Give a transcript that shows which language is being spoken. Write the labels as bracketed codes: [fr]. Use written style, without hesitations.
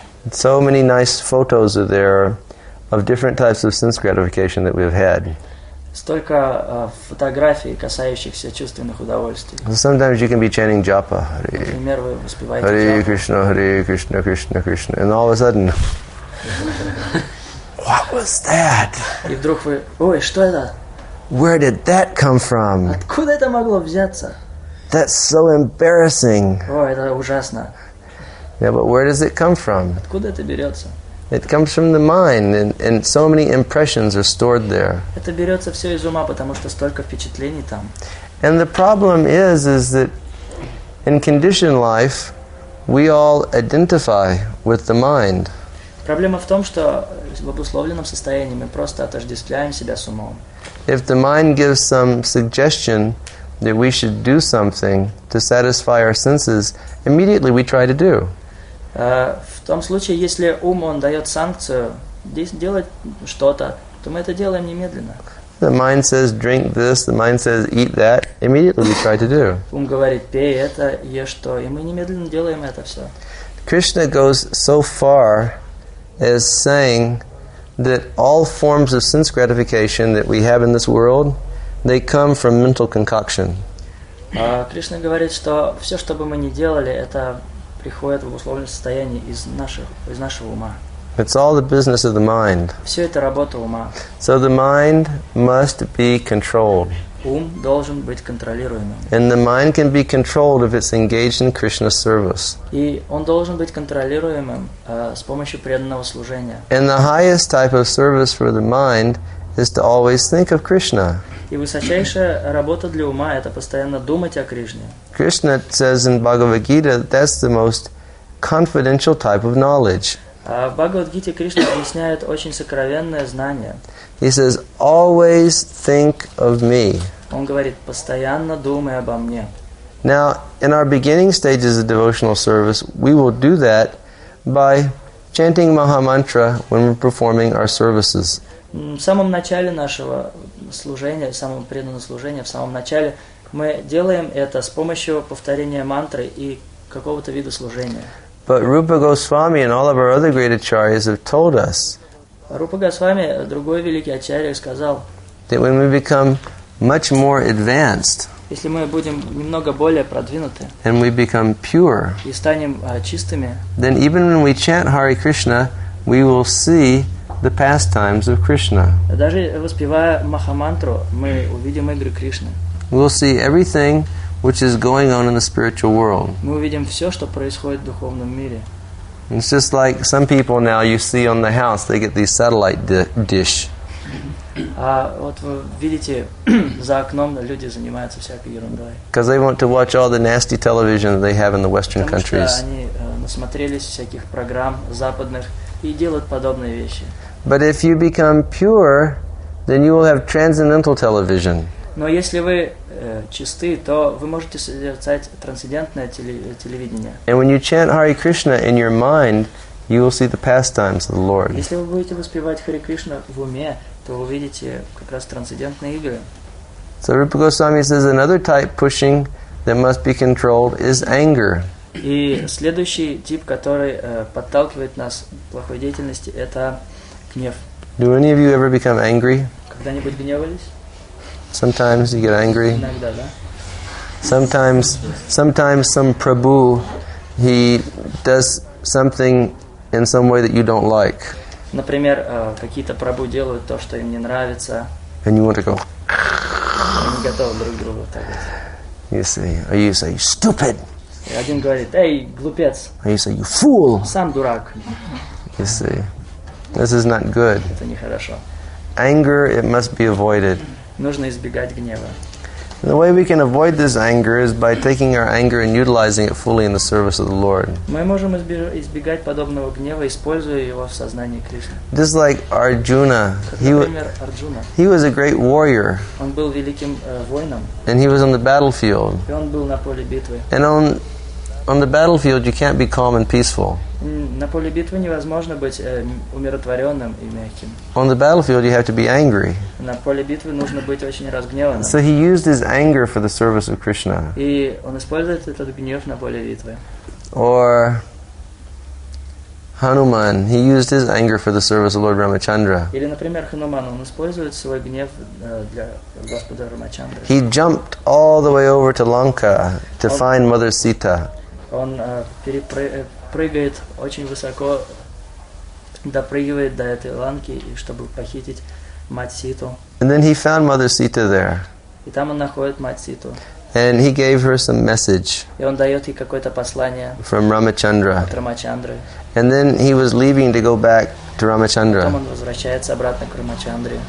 [en] So many nice photos are there of different types of sense gratification that we've had. [ru] Столько фотографий, касающихся чувственных удовольствий. [en] Sometimes you can be chanting japa. [ru] Например, вы воспеваете [sa] Hare Krishna, Hare Krishna, Krishna Krishna. [en] And all of a sudden, what was that? [ru] И вдруг вы, ой, что это? [en] Where did that come from? [ru] Откуда это могло взяться? [en] That's so embarrassing. [ru] Ой, это ужасно. [en] Yeah, but where does it come from? [ru] Откуда это берется? [en] It comes from the mind, and so many impressions are stored there. [ru] Это берется все из ума, потому что столько впечатлений там. [en] And the problem is that in conditioned life, we all identify with the mind. [ru] Проблема в том, что в обусловленном состоянии мы просто отождествляем себя с умом. [en] If the mind gives some suggestion that we should do something to satisfy our senses, immediately we try to do. [ru] В том случае, если ум, он дает санкцию делать что-то, то мы это делаем немедленно. [en] The mind says, drink this, the mind says, eat that, immediately we try to do. [ru] Ум говорит, пей это, ешь то, и мы немедленно делаем это все. [en] Krishna goes so far as saying that all forms of sense gratification that we have in this world, they come from mental concoction. [ru] Krishna говорит, что все, что бы мы ни делали, это приходит в условленное состояние из нашего ума. [en] It's all the business of the mind. [ru] Все это работа ума. [en] So the mind must be controlled. [ru] Ум должен быть контролируемым. [en] And the mind can be controlled if it's engaged in Krishna's service. [ru] И он должен быть контролируемым с помощью преданного служения. [en] And the highest type of service for the mind is to always think of Krishna. [ru] И высочайшая работа для ума – это постоянно думать о Кришне. [en] Krishna says in Bhagavad Gita, that's the most confidential type of knowledge. [ru] В Bhagavad Gita Krishna объясняет очень сокровенное знание. [en] He says, always think of me. [ru] Он говорит, постоянно думай обо мне. [en] Now, in our beginning stages of devotional service, we will do that by chanting Maha Mantra when we're performing our services. [ru] В самом начале нашего служения, самого преданного служения, в самом начале мы делаем это с помощью повторения мантры и какого-то вида служения. [en] But Rupa Goswami and all of our other great acharyas have told us. [ru] Рупа Госвами, другой великий ачарья, сказал. [en] That when we become much more advanced. [ru] Если мы будем немного более продвинуты. [en] And we become pure. [ru] И станем чистыми. [en] Then even when we chant Hare Krishna, we will see the pastimes of Krishna. [ru] Даже воспевая Махамантру, мы увидим игры Кришны. [en] We'll see everything which is going on in the spiritual world. [ru] Мы увидим все, что происходит в духовном мире. [en] It's just like some people now you see on the house, they get these satellite dish. [ru] А вот вы видите, за окном люди занимаются всякой ерундой. [en] Because they want to watch all the nasty television they have in the Western countries. [ru] Потому что они насмотрелись всяких программ западных и делают подобные вещи. [en] But if you become pure, then you will have transcendental television. [ru] Но если вы чисты, то вы можете созерцать трансцендентное телевидение. [en] And when you chant Hare Krishna in your mind, you will see the pastimes of the Lord. [ru] Если вы будете воспевать Хари Кришна в уме, то вы увидите как раз трансцендентные игры. [en] So Rupa Goswami says another type pushing that must be controlled is anger. [ru] И следующий тип, который подталкивает нас к плохой деятельности, это гнев. [en] Do any of you ever become angry? [ru] Когда-нибудь гневались? [en] Sometimes you get angry. [ru] Иногда, да? [en] Sometimes some Prabhu, he does something in some way that you don't like. [ru] Например, какие-то Прабу делают то, что им не нравится. [en] And you want to go. [ru] Они готовы друг другу так вот. [en] You say, or you say, stupid. [ru] И один говорит, эй, глупец. [en] Or you say, you fool. [ru] Сам дурак. [en] You see, this is not good. [ru] Это нехорошо. [en] Anger, it must be avoided. [ru] Нужно избегать гнева. [en] And the way we can avoid this anger is by taking our anger and utilizing it fully in the service of the Lord. [ru] Мы можем избегать подобного гнева, используя его в сознании Кришны. [en] Just like Arjuna, he was a great warrior. [ru] Он был великим воином. [en] And he was on the battlefield. [ru] И он был на поле битвы. [en] And on the battlefield, you can't be calm and peaceful. [ru] На поле битвы невозможно быть умиротворенным и мягким. [en] On the battlefield, you have to be angry. [ru] На поле битвы нужно быть очень разгневанным. [en] So he used his anger for the service of Krishna. [ru] И он использует этот гнев на поле битвы. [en] Or Hanuman, he used his anger for the service of Lord Ramachandra. [ru] Или, например, Хануман, он использует свой гнев для Господа Рамачандры. [en] He jumped all the way over to Lanka to find Mother Sita. [ru] Он прыгает очень высоко, допрыгивает до этой Ланки, чтобы похитить мать Ситу. [en] And then he found Mother Sita there. [ru] И там он находит мать Ситу. [en] And he gave her some message. [ru] И он дает ей какое-то послание. [en] From Ramachandra. [ru] От Рамачандры. [en] And then he was leaving to go back to Ramachandra. [ru] Потом он возвращается обратно к Рамачандре.